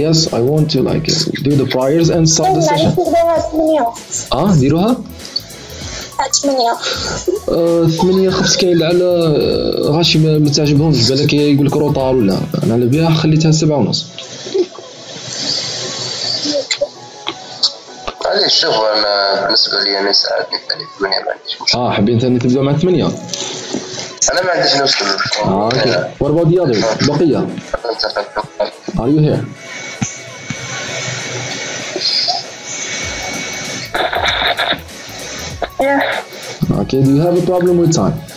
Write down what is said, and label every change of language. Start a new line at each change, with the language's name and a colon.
English: Yes, I want to like do the prayers and start the session.
Arabic: آه ديروها؟ ثمانية خمس كاين لعل غاشي ما تعجبهمش بالك يقول لك روطار ولا أنا على بها خليتها سبعة ونص. شوف أنا بالنسبة لي أنا ساعات نتعلم 8 ما عنديش مشكلة حابين تاني تبدأ مع 8 أنا ما عنديش مشكلة
English: Okay What about the others بقية Are you here Yes. Okay, do you have a problem with time?